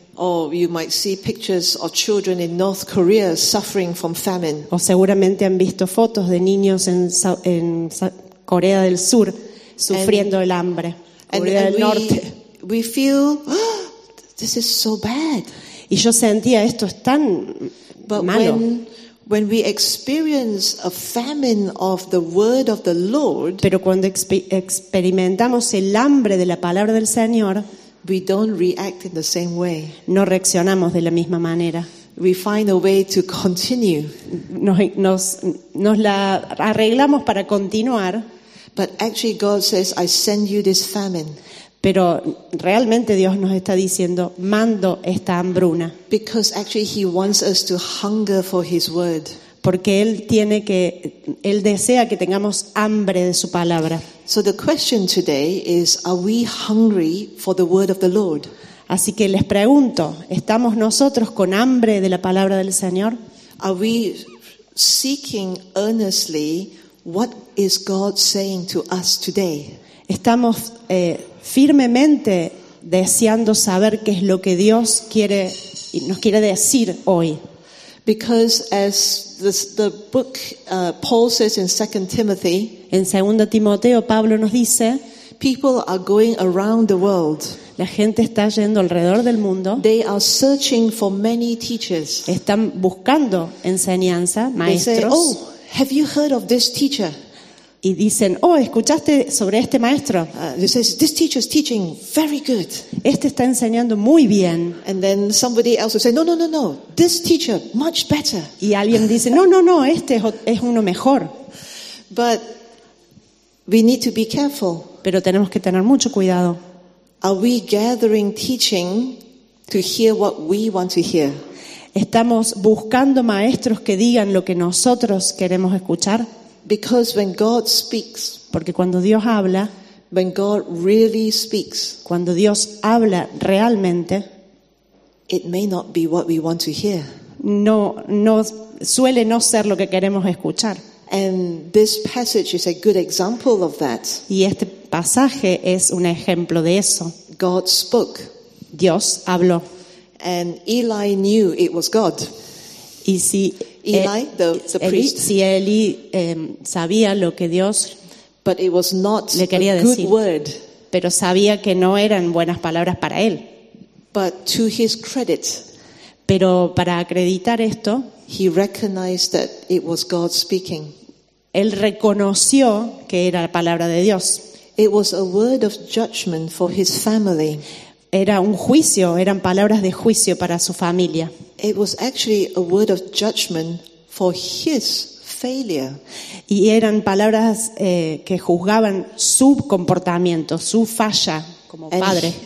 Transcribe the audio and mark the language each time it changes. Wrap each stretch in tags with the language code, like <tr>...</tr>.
<en>Or you might see pictures of children in North Korea suffering from famine.</en> <es>O seguramente han visto fotos de niños en Corea del Sur sufriendo el hambre. Corea del Norte.</es> <en>We feel this is so bad.</en> <es>Y yo sentía esto es tan malo.</es> <en>When we experience a famine of the word of the Lord,</en> <es>pero cuando experimentamos el hambre de la palabra del Señor,</es> <en>we don't react in the same way.</en> <es>No reaccionamos de la misma manera.</es> <en>We find a way to continue.</en> <es>Nos la arreglamos para continuar.</es> <en>But actually God says, I send you this famine.</en> <es>Pero realmente Dios nos está diciendo, mando esta hambruna.</es> <en>Because actually he wants us to hunger for his word.</en> <es>Porque él desea que tengamos hambre de su palabra.</es> <en>So the question today is, are we hungry for the word of the Lord?</en> <es>Así que les pregunto, ¿estamos nosotros con hambre de la palabra del Señor?</es> <en>Are we seeking earnestly what is God saying to us today?</en> <es>Estamos firmemente deseando saber qué es lo que Dios quiere y nos quiere decir hoy.</es> <en>Because as the book Paul says in 2 Timothy,</en> <es>en 2 Timoteo Pablo nos dice,</es> <en>people are going around the world.</en> <es>La gente está yendo alrededor del mundo.</es> <en>They are searching for many teachers.</en> <es>Están buscando enseñanza, maestros.</es> <en>They say, oh, have you heard of this teacher?</en> <es>Y dicen, oh, ¿escuchaste sobre este maestro?</es> <en>Says, this teacher is teaching very good.</en> <es>Este está enseñando muy bien.</es> <en>And then somebody else will say, no, no, no, no, this teacher much better.</en> <es>Y alguien dice, no, no, no, este es uno mejor.</es> <en>But we need to be careful.</en> <es>Pero tenemos que tener mucho cuidado.</es> <en>Are we gathering teaching to hear what we want to hear?</en> <es>¿Estamos buscando maestros que digan lo que nosotros queremos escuchar?</es> <en>Because when God speaks,</en> <es>porque cuando Dios habla,</es> <en>when God really speaks,</en> <es>cuando Dios habla realmente,</es> <en>it may not be what we want to hear.</en> <es>No suele no ser lo que queremos escuchar.</es> <en>And this passage is a good example of that.</en> <es>Y este pasaje es un ejemplo de eso.</es> <en>God spoke.</en> <es>Dios habló.</es> <en>And Eli knew it was God.</en> <es>Y si</es> <en>Eli, the priest,</en> <es>si Eli sabía lo que Dios</es> <en>but it was not</en> <es>le quería</es> <en>a</en> <es>decir,</es> <en>good word,</en> <es>pero sabía que no eran buenas palabras para él.</es> <en>But to his credit,</en> <es>pero para acreditar esto,</es> <en>he recognized that it was God speaking.</en> <es>Él reconoció que era la palabra de Dios.</es> <en>It was a word of judgment for his family.</en> <es>Era un juicio, eran palabras de juicio para su familia.</es> <en>It was actually a word of judgment for his failure.</en> <es>Y eran palabras que juzgaban su comportamiento, su falla como padre.</es>